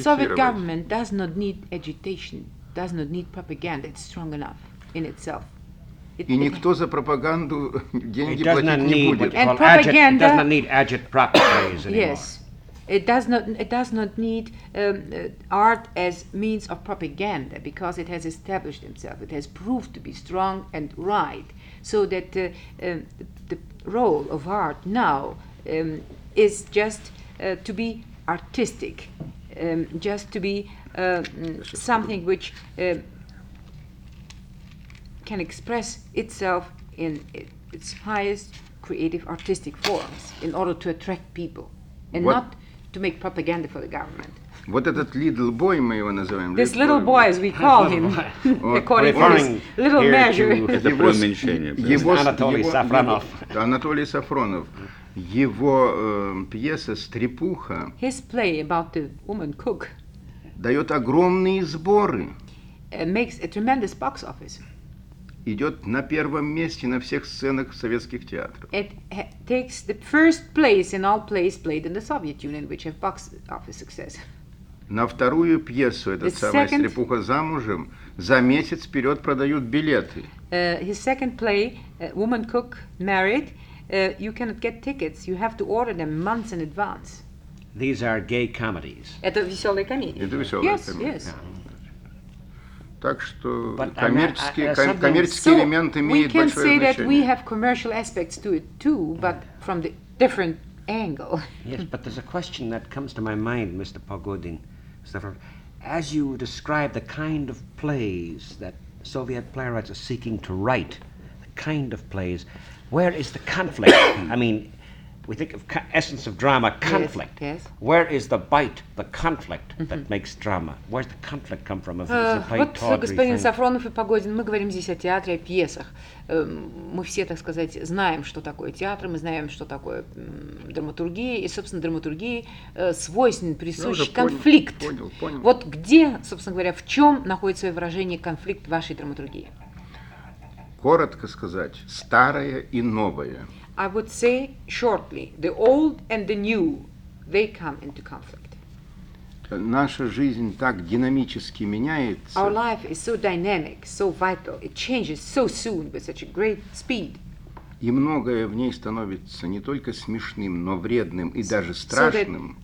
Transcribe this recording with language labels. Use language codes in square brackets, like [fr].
[en] The Soviet government does not need agitation, does not need propaganda. It's strong enough in itself. [ru] И никто за пропаганду деньги платить не будет. [en] And propaganda does not need agit propaganda anymore. Yes, it does not need art as means of propaganda because it has established itself. It has proved to be strong and right, so that the role of art now is just to be artistic, just to be something which can express itself in its highest creative artistic forms in order to attract people and not to make propaganda for the government. [ru] Вот этот [en] little boy [ru] мы его называем. [en] This little boy, as we call him, according to his little measure. [ru] Анатолий Сафронов. Анатолий Сафронов. Его пьеса «Стрепуха» [en] His play about the woman cook [ru] дает огромные сборы. [en] Makes a tremendous box office. [ru] Идет на первом месте на всех сценах советских театров. [en] It takes the first place in all plays played in the Soviet Union, which have box office success. [ru] На вторую пьесу, эта самая «Стрепуха замужем», за месяц вперед продают билеты. [en] His second play, «Woman cook married», you cannot get tickets. You have to order them months in advance. These are gay comedies. [ru] Это веселые комедии. Это веселые комедии. [en] Yes, yes. [ru] Так что коммерческий элемент имеет большое значение. [en] We can say that we have commercial aspects to it too, but from the different angle. Yes, but there's a question that comes to my mind, Mr. Pogodin. As you describe the kind of plays that Soviet playwrights are seeking to write, the kind of plays, where is the conflict? I mean, we think of essence of drama, conflict. Yes, yes. Where is the bite, the conflict that makes drama? Where's the conflict come from? If [ru] вот господин Сафронов и Погодин, мы говорим здесь о театре, о пьесах. Мы все, так сказать, знаем, что такое театр, мы знаем, что такое драматургия, и, собственно, драматургии свойственен, присущ конфликт. Понял. Вот где, собственно говоря, в чем находится свое выражение конфликт вашей драматургии? Коротко сказать, старое и новое. [en] I would say shortly, the old and the new, they come into conflict. [ru] Наша жизнь так динамически меняется. [en] Our life is so dynamic, so vital. It changes so soon with such a great speed. [ru] И многое в ней становится не только смешным, но вредным и даже страшным.